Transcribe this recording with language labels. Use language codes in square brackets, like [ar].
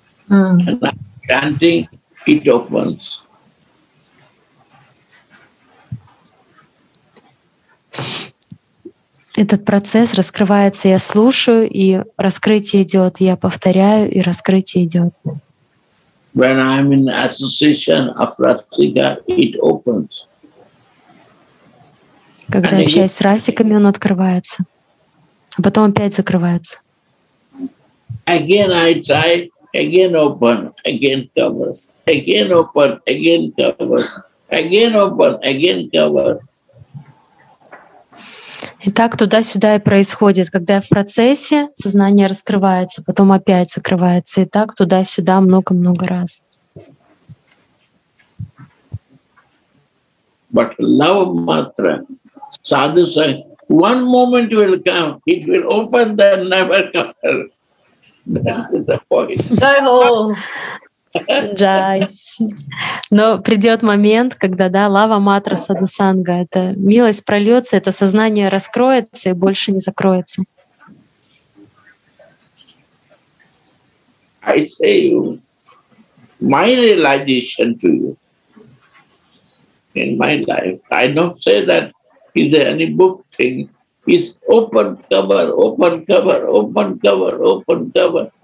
[en] And I'm chanting, it opens. [ru] Этот процесс раскрывается, я слушаю, и раскрытие идет, я повторяю, и раскрытие идет. [en] When I'm in association of Rasika, it opens. [ru] Когда я общаюсь с расиками, он открывается. А потом опять закрывается. [en] Again I try. Again open, again covers. Again open, again covers. Again open, again covers. [ru] И так туда-сюда и происходит, когда в процессе сознание раскрывается, потом опять закрывается, и так туда-сюда много-много раз. [en] But love mantra, sadhu say, one moment will come, it will open, then never come. [hi] Джай хо! Джай! [ru] Но придет момент, когда, да, лава матра садусанга, это милость прольется, это сознание раскроется и больше не закроется. [en] I say you, my realization to you in my life, I don't say that is there any book thing, is open cover, open cover, open cover, open cover.